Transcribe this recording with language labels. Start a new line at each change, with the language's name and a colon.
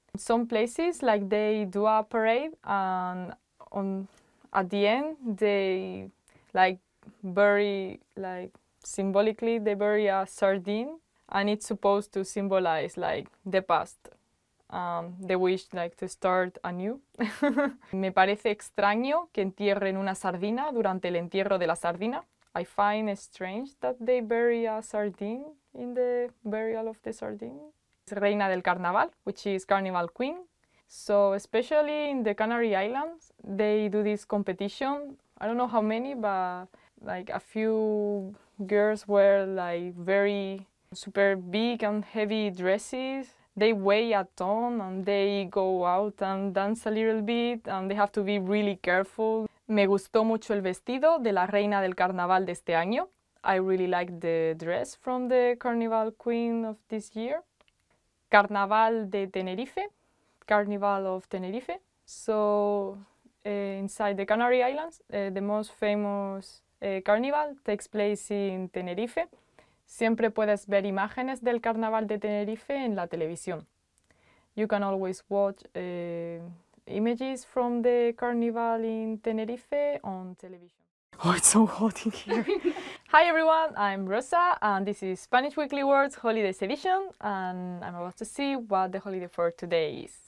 English: Some places, like, they do a parade, and at the end, they, like, bury, like, symbolically, they bury a sardine. And it's supposed to symbolize like the past, the wish like to start anew.
Spanish: Me parece extraño que entierren una sardina durante el entierro de la sardina.
English: I find it strange that they bury a sardine in the burial of the sardine. Es reina del carnaval, which is Carnival Queen. So especially in the Canary Islands, they do this competition. I don't know how many, but like a few girls were like very super big and heavy dresses. They weigh a ton and they go out and dance a little bit and they have to be really careful.
Spanish: Me gustó mucho el vestido de la reina del carnaval de este año.
English: I really liked the dress from the Carnival Queen of this year. Carnaval de Tenerife. Carnival of Tenerife. So, inside the Canary Islands, the most famous carnival takes place in Tenerife.
Spanish: Siempre puedes ver imágenes del Carnaval de Tenerife en la televisión.
English: You can always watch images from the Carnival in Tenerife on television. Oh, it's so hot in here. Hi everyone, I'm Rosa and this is Spanish Weekly Words Holidays Edition, and I'm about to see what the holiday for today is.